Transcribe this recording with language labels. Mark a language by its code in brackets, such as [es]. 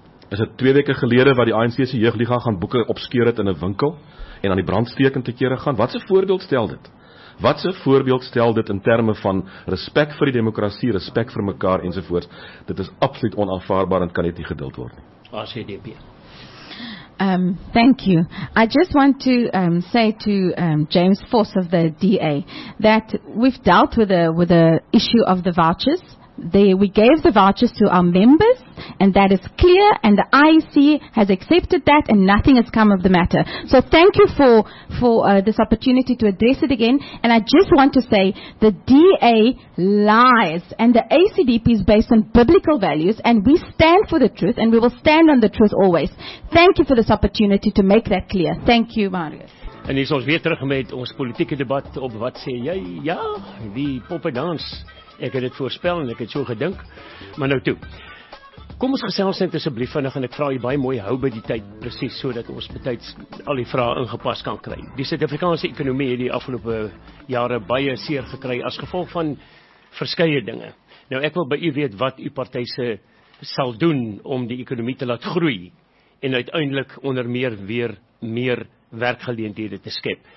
[af] Is dit 2 weke gelede wat die ANC se jeugliga gaan boeke opskeur het in 'n winkel en aan die brandsteek in te kere gaan? Wat 'n voorbeeld stel dit? Wat 'n voorbeeld stel dit in terme van respek vir die demokrasie, respek vir mekaar ensovoorts? Dit is absoluut onaanvaarbaar en kan net nie geduld word nie. ACDP. [en] Thank you. I just want to say to James Force of the DA that we've dealt with the issue of the vouchers. We gave the vouchers to our members, and that is clear, and the IEC has accepted that, and nothing has come of the matter. So thank you for this opportunity to address it again, and I just want to say the DA lies, and the ACDP is based on biblical values, and we stand for the truth, and we will stand on the truth always. Thank you for this opportunity to make that clear. Thank you, Marius. [af] En hier is ons weer terug met ons politieke debat op wat sê jy? Ja, die poppedans. Ek het dit voorspel en ek het so gedink. Maar nou toe. Kom ons gesels net asseblief vinnig en ek vra jy baie mooi hou by die tyd presies sodat ons betyds al die vrae ingepas kan kry. Die Suid-Afrikaanse ekonomie het die afgelope jare baie seer gekry as gevolg van verskeie dinge. Nou ek wil by u weet wat u party se sal doen om die ekonomie te laat groei en uiteindelik onder meer weer meer werkgeleenthede te skep.